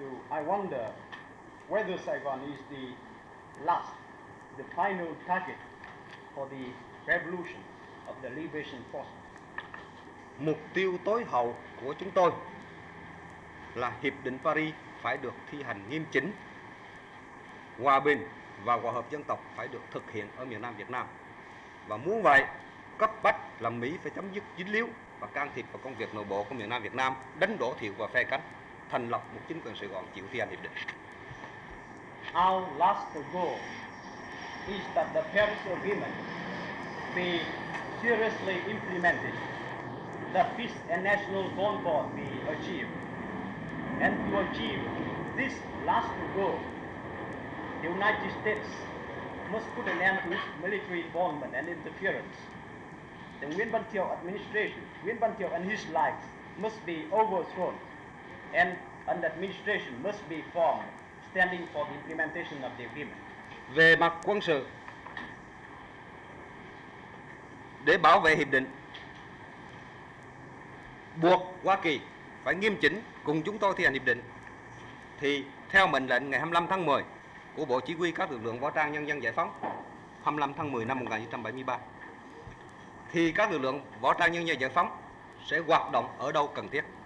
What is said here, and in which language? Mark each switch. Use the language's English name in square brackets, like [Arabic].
[English] I wonder whether Saigon is the last, the final target for the revolution of the liberation force. [Vietnamese] Mục tiêu tối hậu của chúng tôi là Hiệp định Paris phải được thi hành nghiêm chỉnh, hòa bình và hòa hợp dân tộc phải được thực hiện ở miền Nam Việt Nam. Và muốn vậy, cấp bách là Mỹ phải chấm dứt dính líu và can thiệp vào công việc nội bộ của miền Nam Việt Nam, đánh đổ Thiệu và phe cánh, thành lập một chính quyền Sài Gòn chịu thi hành hiệp định. [English] Our last goal is that the Paris Agreement be seriously implemented, the peace and national concord be achieved. And to achieve this last goal, the United States must put an end to its military involvement and interference. The Nguyễn Văn Thiệu administration, Nguyễn Văn Thiệu and his likes must be overthrown, and an administration must be formed standing for the implementation of the agreement. [Vietnamese] Về mặt quân sự, để bảo vệ hiệp định, buộc Hoa Kỳ phải nghiêm chỉnh cùng chúng tôi thi hành hiệp định, thì theo mệnh lệnh ngày 25 tháng 10 của Bộ Chỉ huy các lực lượng võ trang nhân dân giải phóng, 25 tháng 10 năm 1973, thì các lực lượng võ trang nhân dân giải phóng sẽ hoạt động ở đâu cần thiết.